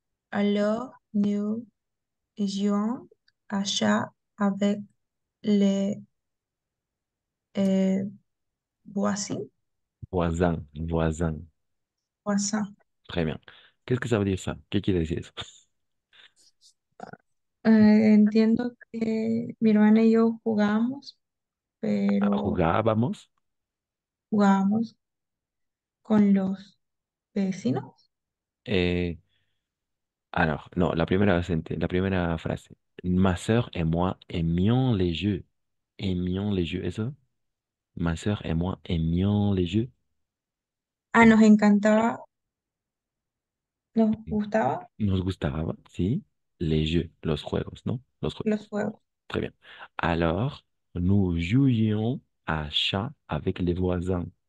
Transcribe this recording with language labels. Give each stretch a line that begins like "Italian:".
French: Alors, nous jouons à chat avec les voisins. Voisin, voisin. Voisin. Très bien. Qu'est-ce que ça veut dire ça?
Spanish: ¿Qué quiere decir eso? Entiendo que mi hermana y yo jugamos, pero Jugábamos. jugamos con los vecinos. Alors, no, la primera frase.
French: Ma soeur et moi aimions les jeux. Aimions les jeux, ¿eso? Ma sœur et moi aimions les jeux.
Spanish: Ah, nos encantaba. Nos gustaba. Nos gustaba, sí,
French: les jeux,
Spanish: los juegos, ¿no? Los juegos. Los juegos.
French: Très bien. Alors, nous jouions à chat avec les voisins.